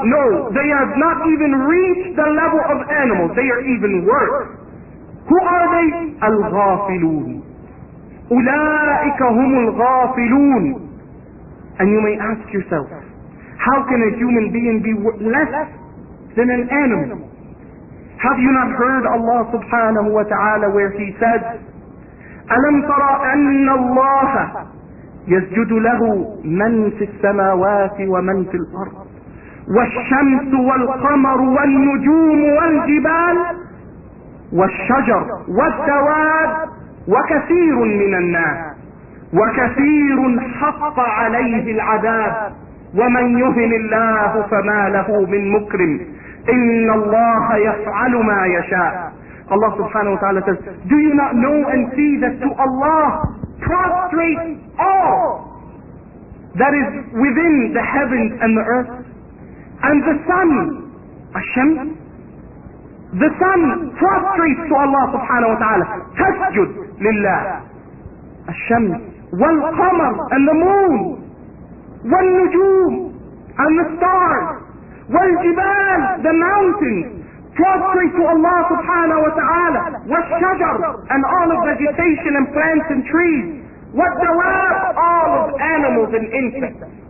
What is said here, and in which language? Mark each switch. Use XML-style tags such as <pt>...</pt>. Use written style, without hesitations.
<en>No, they have not even reached the level of animals. They are even worse. Who are they? الغافلون.</en> <ar>أولئك هم الغافلون.</ar> <en>And you may ask yourself, how can a human being be less than an animal? Have you not heard Allah subhanahu wa ta'ala where he said,</en> <ar>ألم ترى أن الله يسجد له من في السماوات ومن في الأرض والشمس والقمر والنجوم والجبال والشجر والدواب وكثير من الناس وكثير حق عليه العذاب ومن يهن الله فما له من مكرم إن الله يفعل ما يشاء.</ar> <en>الله سبحانه وتعالى says, Do you not know and see that to Allah prostrate all that is within the heavens and the earth, and the sun, Hashem, the sun prostrates to Allah subhanahu wa ta'ala, tasjud lillah, Hashem, wal qamar, and the moon, wal nujum, and the stars, wal jibal, the mountains, prostrate to Allah subhanahu wa ta'ala, wal shajar, and all of vegetation and plants and trees, وَالْدَوَابِ all of animals and insects.</en>